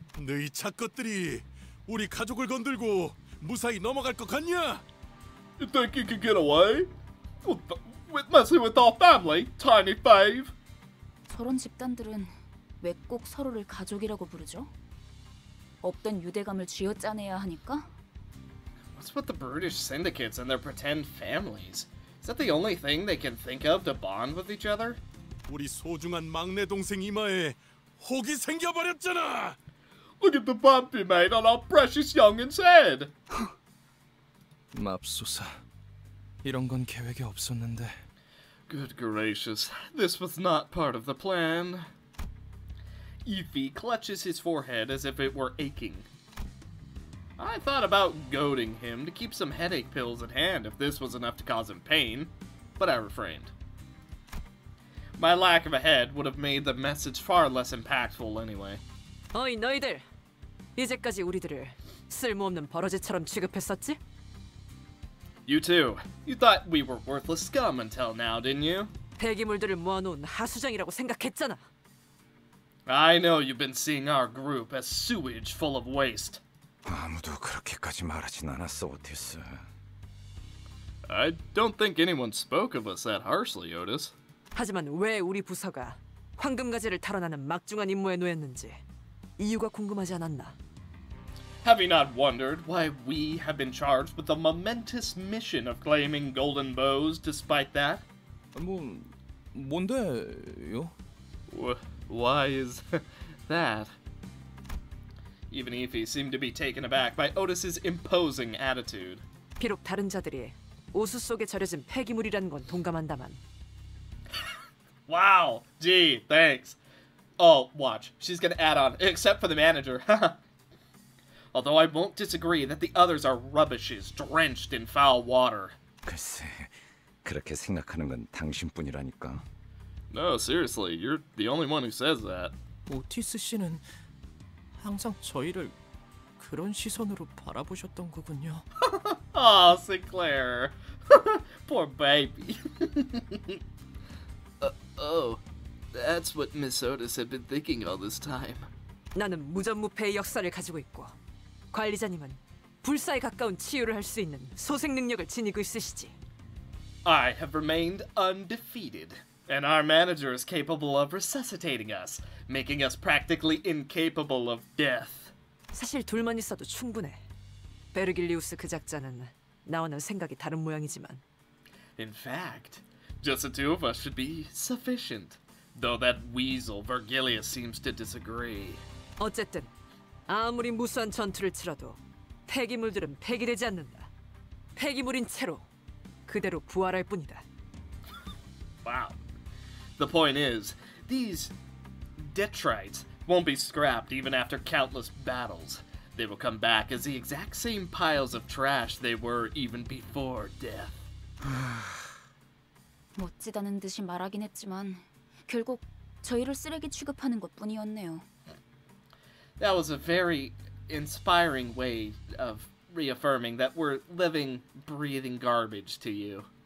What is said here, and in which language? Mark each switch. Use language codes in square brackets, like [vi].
[ko] 너희 착것들이 우리 가족을 건들고 무사히 넘어갈 것 같냐? [en] You think you can get away? With messing with our family, tiny fave? [ko] 저런 집단들은 왜 꼭 서로를 가족이라고 부르죠? 없던 유대감을 쥐어짜내야 하니까? [en] What's with the brutish syndicates and their pretend families? Is that the only thing they can think of to bond with each other? [ko] 우리 소중한 막내 동생 이마에 혹이 생겨버렸잖아! [en] Look at the bump he made on our precious youngin's head! [ko] 맙소사, 이런 건 계획에 없었는데... [en] Good gracious, this was not part of the plan. Yifei clutches his forehead as if it were aching. I thought about goading him to keep some headache pills at hand if this was enough to cause him pain, but I refrained. My lack of a head would have made the message far less impactful anyway. [ko] Oi, 너희들! 이제까지 우리들을 쓸모없는 버러지처럼 취급했었지? [en] You too. You thought we were worthless scum until now, didn't you? [ko] 폐기물들을 모아놓은 하수장이라고 생각했잖아. [en] I know you've been seeing our group as sewage full of waste. [ko] 아무도 그렇게까지 말하진 않았어, 오티스. [en] I don't think anyone spoke of us that harshly, Otis. [ko] 하지만 왜 우리 부서가 황금가지를 탈환하는 막중한 임무에 놓였는지 이유가 궁금하지 않았나? [en] Have you not wondered why we have been charged with the momentous mission of claiming golden bows despite that? [ko] 뭐, 뭔데요? [en] Why is that? Even Ify seemed to be taken aback by Otis's imposing attitude. [ko] 비록 다른 자들이 오수 속에 절여진 폐기물이라는 건 동감한다만. [en] Wow, gee, thanks. Oh, watch, she's gonna add on, except for the manager. Although I won't disagree that the others are rubbishes drenched in foul water. [ko] 글쎄, 그렇게 생각하는 건 당신뿐이라니까. [en] No, seriously, you're the only one who says that. [ko] 오티스 씨는 항상 저희를 그런 시선으로 바라보셨던 거군요. [en] Aw, Sinclair. Poor baby. That's what Miss Otis had been thinking all this time. [ko] 나는 무전무패의 역사를 가지고 있고, 관리자님은 불사에 가까운 치유를 할 수 있는 소생 능력을 지니고 있으시지. [en] I have remained undefeated, and our manager is capable of resuscitating us, making us practically incapable of death. [ko] 사실 둘만 있어도 충분해. 베르길리우스 그 작자는 나와는 생각이 다른 모양이지만. [en] In fact, just the two of us should be sufficient. Though that weasel Virgilius seems to disagree. [ko] 어쨌든 아무리 무수한 전투를 치러도 폐기물들은 폐기되지 않는다. 폐기물인 채로 그대로 부활할 뿐이다. [en] Wow. The point is, these detrites won't be scrapped even after countless battles. They will come back as the exact same piles of trash they were even before death. [ko] 멋지다는 듯이 말하긴 했지만 결국 저희를 쓰레기 취급하는 것뿐이었네요. [en] That was a very inspiring way of reaffirming that we're living, breathing garbage to you.